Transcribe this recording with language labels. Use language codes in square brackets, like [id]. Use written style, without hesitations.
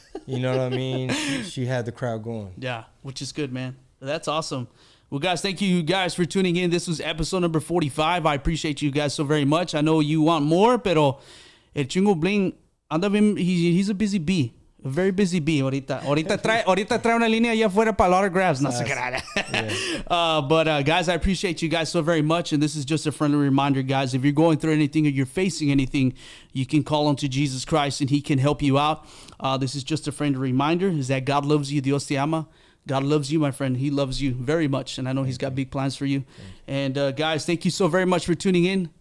[en] You know what I mean? She had the crowd going. Yeah, which is good, man. That's awesome. Well, guys, thank you guys for tuning in. This was episode number 45. I appreciate you guys so very much. I know you want more, pero el Chingo Bling, he's a busy bee. A very busy bee. [es] Ahorita trae una línea allá afuera para los autographs. No se crean. [en] Guys, I appreciate you guys so very much. And this is just a friendly reminder, guys. If you're going through anything or you're facing anything, you can call on to Jesus Christ and he can help you out. This is just a friendly reminder is that God loves you. [es] Dios te ama. [en] God loves you, my friend. He loves you very much. And I know he's got big plans for you. And guys, thank you so very much for tuning in.